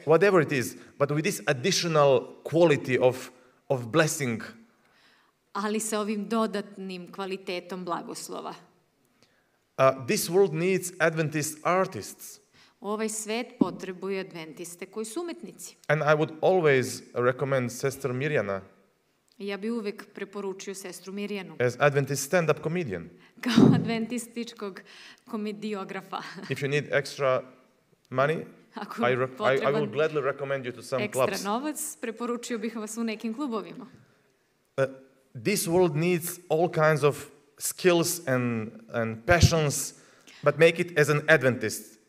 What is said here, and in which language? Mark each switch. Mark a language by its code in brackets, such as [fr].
[en] Whatever it is, but with this additional quality of blessing. [sr] Ali sa ovim dodatnim kvalitetom blagoslova. [en] This world needs Adventist artists. [sr] Ovaj svet potrebuje adventiste koji su umetnici. [en] And I would always recommend sister Mirjana. [sr] Ja bih uvek preporučio sestru Mirjanu. [en] As Adventist stand-up comedian. [sr] Kao adventističkog komediografa. [en] If you need extra money, I would gladly recommend you to some [sr] ekstra [en] clubs. [sr] Ekstra novac, preporučio bih vas u nekim klubovima. [en] This world needs all kinds of skills and passions, but make it as an Adventist.